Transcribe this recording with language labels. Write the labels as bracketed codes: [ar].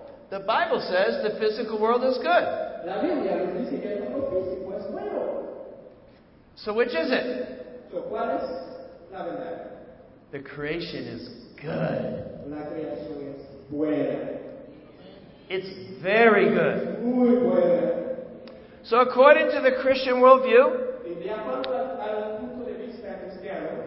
[en] The Bible says the physical world is good. [es] La Biblia dice que el mundo físico es bueno. [en] So which is it? [es] So, ¿cuál es la verdad? [en] The creation is good. [es] La creación es buena. [en] It's very good. [es] Muy buena. [en] So according to the Christian worldview, [es] de acuerdo al punto de vista cristiano,